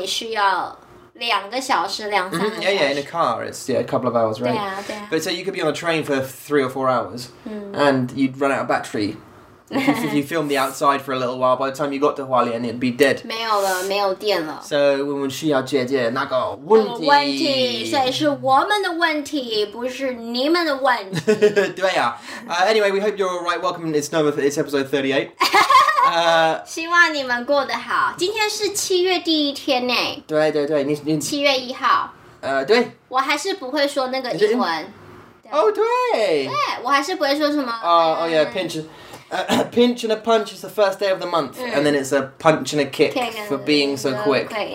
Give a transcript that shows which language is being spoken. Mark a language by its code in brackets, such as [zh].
[zh] 所以我不知道。但是你开车的话,你需要两个小时,两三个小时。 Mm-hmm. [en] Yeah, yeah, in a car, it's a couple of hours, right? [zh] 对啊, 对啊。 [en] But so you could be on a train for 3 or 4 hours, and you'd run out of battery. If you filmed the outside for a little while, by the time you got to Hualien, it'd be dead. [zh] 没有了。 So, 我们需要解决那个问题。所以是我们的问题,不是你们的问题。对啊。 [en] Anyway, we hope you're alright. Welcome, it's Nova, it's episode 38. [zh] 希望你们过得好。今天是7月第一天诶。对对对,你... 7月1号。对。我还是不会说那个英文。 Oh, 对。对,我还是不会说什么... [en] Oh, yeah, pinch... A pinch and a punch is the first day of the month, and then it's a punch and a kick for being so quick.